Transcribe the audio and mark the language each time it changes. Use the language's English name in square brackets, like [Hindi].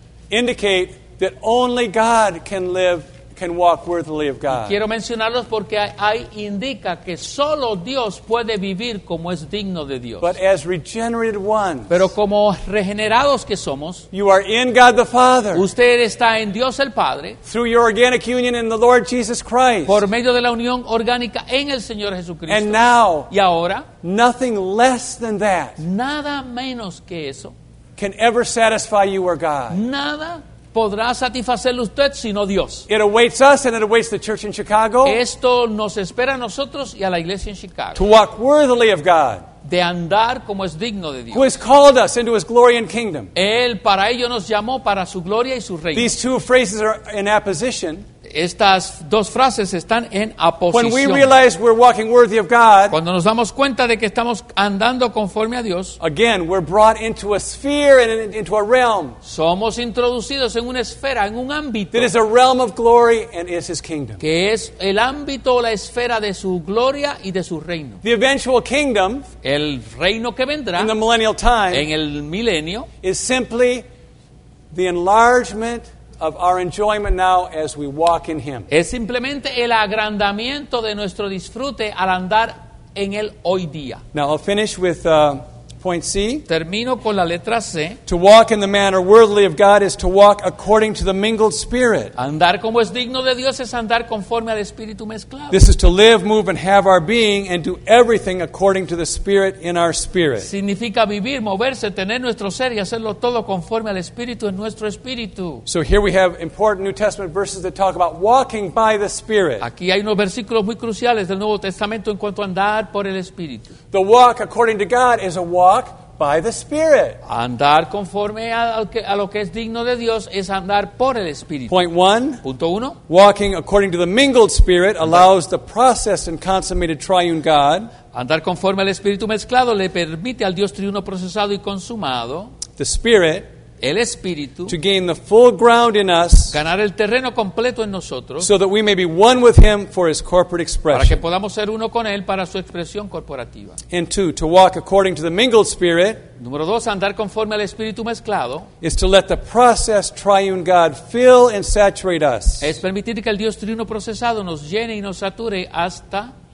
[English] Indicate that only God can live, can walk worthily of God. [Spanish] Y quiero mencionarlos porque ahí indica que solo Dios puede vivir como es digno de Dios. [English] But as regenerated ones, [Spanish] pero como regenerados que somos, [English] you are in God the Father. [Spanish] Usted está en Dios el Padre. [English] Through your organic union in the Lord Jesus Christ. [Spanish] Por medio de la unión orgánica en el Señor Jesucristo. [English] And now, [Spanish] y ahora, [English] nothing less than that. [Spanish] Nada menos que eso. [English] Can ever satisfy you or God. [Spanish] Nada podrá satisfacerle usted sino Dios. [English] It awaits us and it awaits the church in Chicago. [Spanish] Esto nos espera a nosotros y a la iglesia en Chicago. [English] To walk worthily of God. [Spanish] De andar como es digno de Dios. [English] Who has called us into his glory and kingdom. [Spanish] Él para ello nos llamó para su gloria y su reino. [English] These two phrases are in opposition. [Spanish] Estas dos frases están en oposición. [English] When we realize we're walking worthy of God, [Spanish] cuando nos damos cuenta de que estamos andando conforme a Dios, [English] again, we're brought into a sphere and into a realm. [Spanish] Somos introducidos en una esfera, en un ámbito. [English] It is a realm of glory and is his kingdom. [Spanish] Que es el ámbito o la esfera de su gloria y de su reino. [English] The eventual kingdom, [Spanish] el reino que vendrá, [English] in the millennial time, [Spanish] en el milenio, [English] is simply the enlargement of our enjoyment now as we walk in him. [Spanish] Es simplemente el agrandamiento de nuestro disfrute al andar en él hoy día. [English] Now I'll finish with point C. [Spanish] Termino con la letra C. [English] To walk in the manner worthy of God is to walk according to the mingled spirit. [Spanish] Andar como es digno de Dios es andar conforme al espíritu mezclado. [English] This is to live, move, and have our being and do everything according to the spirit in our spirit. [Spanish] Significa vivir, moverse, tener nuestro ser y hacerlo todo conforme al espíritu en nuestro espíritu. [English] So here we have important New Testament verses that talk about walking by the spirit. [Spanish] Aquí hay unos versículos muy cruciales del Nuevo Testamento en cuanto a andar por el espíritu. [English] The walk according to God is a walk by the Spirit. [Spanish] Andar conforme a lo que es digno de Dios es andar por el Espíritu. [English] Point one. [Spanish] Punto uno. [English] Walking according to the mingled Spirit allows the processed and consummated triune God. [Spanish] Andar conforme al Espíritu mezclado le permite al Dios triuno procesado y consumado. [English] The Spirit. [Spanish] El Espíritu. [English] To gain the full ground in us. [Spanish] Ganar el terreno completo en nosotros. [English] So that we may be one with him for his corporate expression. [Spanish] Para que podamos ser uno con él para su expresión corporativa. [English] And two, to walk according to the mingled spirit. [Spanish] Número dos, andar conforme al Espíritu mezclado. [English] Is to let the processed triune God fill and saturate us. [Spanish] Es permitir que el Dios triuno procesado nos llene y nos sature hasta.